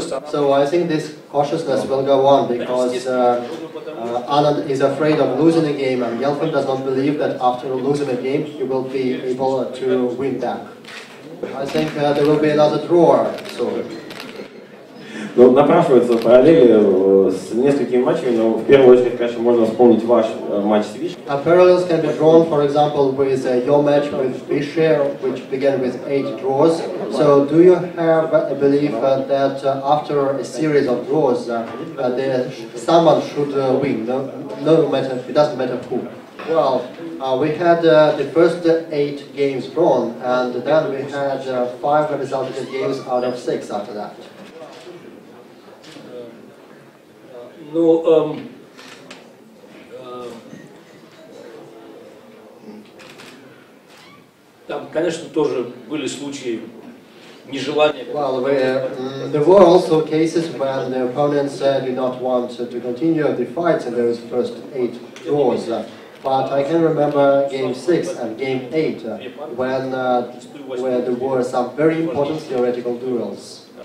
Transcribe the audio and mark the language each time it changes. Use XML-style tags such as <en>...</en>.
<en>So I think this cautiousness will go on because Anand is afraid of losing a game, and Gelfand does not believe that after losing a game he will be able to win back. I think there will be another draw soon.</en> <ru>Ну, напрашивается параллели с несколькими матчами, но в первую очередь, конечно, можно вспомнить ваш матч с Вишей.</ru> <en>Parallels can be drawn, for example, with your match with Vishay, which began with 8 draws. So, do you have a belief that after a series of draws, someone should win, no matter, it doesn't matter who? Well, we had the first 8 games drawn, and then we had 5 resultative games out of 6 after that.</en> <ru>Ну, там, конечно, тоже были случаи нежелания.</ru> <en>Well, there were also cases when the opponents said we not want to continue the fight in those first eight draws. But I can remember game 6 and game 8 when where there were some very important theoretical duels.</en>